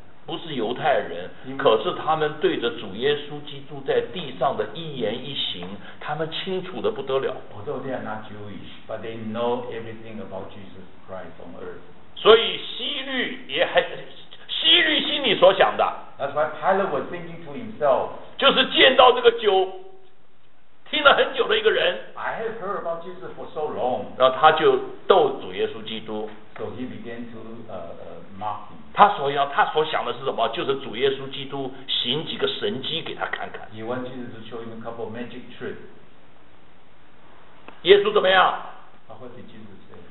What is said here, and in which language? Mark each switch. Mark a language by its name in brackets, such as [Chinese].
[Chinese] 不是犹太人，可是他们对着主耶稣基督在地上的一言一行，他们清楚的不得了。 [English] Although they are not Jewish, but they know everything about Jesus Christ on earth. [Chinese] 所以希律也很，希律心里所想的。 [English] That's why Pilate was thinking to himself. [Chinese] 就是见到这个酒，听了很久的一个人。 [English] I have heard about Jesus for so long. [Chinese] 然后他就逗主耶稣基督。 [English] So he began to mock him. [Chinese] 他所想的是什么？就是主耶稣基督行几个神迹给他看看。 [English] He wants Jesus to show him a couple of magic tricks. [Chinese] 耶稣怎么样？ [English] What did Jesus say?